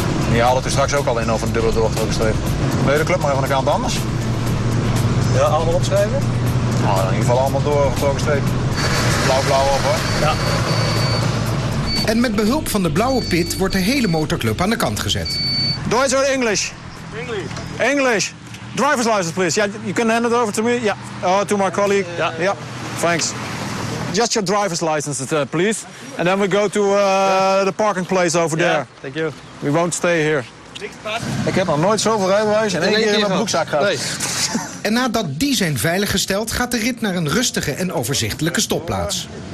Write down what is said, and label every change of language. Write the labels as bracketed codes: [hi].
[nl] Die haalde het er straks ook al in over een dubbele doorgetrokken streep. De hele club, maar even aan de kant anders. Ja, allemaal opschrijven. Nou, in ieder geval allemaal doorgetrokken streep. Blauw op, hoor. Ja. En met behulp van de blauwe pit wordt de hele motorclub aan de kant gezet. [de] Deutsch [en] or English? English. English. Driver's license, please. Ja, you can hand it over to me. Ja. Yeah. Oh, to my colleague. Ja. Yeah. Thanks. Just your driver's license, please. And then we go to the parking place over there. Yeah, thank you. We won't stay here. [nl] Ik heb nog nooit zoveel rijbewijs in één keer in mijn broekzak gehad. Nee. En nadat die zijn veiliggesteld, gaat de rit naar een rustige en overzichtelijke stopplaats.